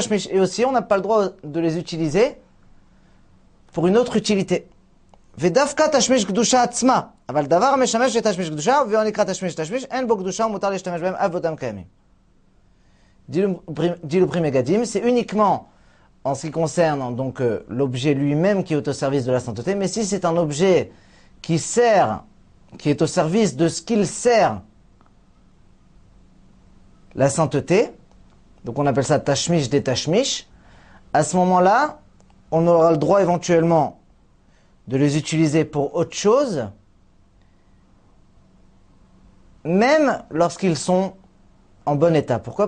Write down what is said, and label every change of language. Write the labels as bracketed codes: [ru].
[fr] Et aussi on n'a pas le droit de les utiliser pour une autre utilité. [he] ודווקא תשמיש קדושה עצמה, אבל דבר משמש לתשמיש קדושה, ואין נקרא תשמיש תשמיש, אין בו קדושה ומותר להשתמש בהם אף באותם קיימים. [fr] דילו פרי מגדים, זה uniquement en ce qui concerne donc l'objet lui-même qui est au service de la sainteté, mais si c'est un objet qui sert, qui est au service de ce qu'il sert, la sainteté, donc on appelle ça tashmish des tashmish, à ce moment-là, on aura le droit éventuellement de les utiliser pour autre chose, même lorsqu'ils sont en bon état. Pourquoi ?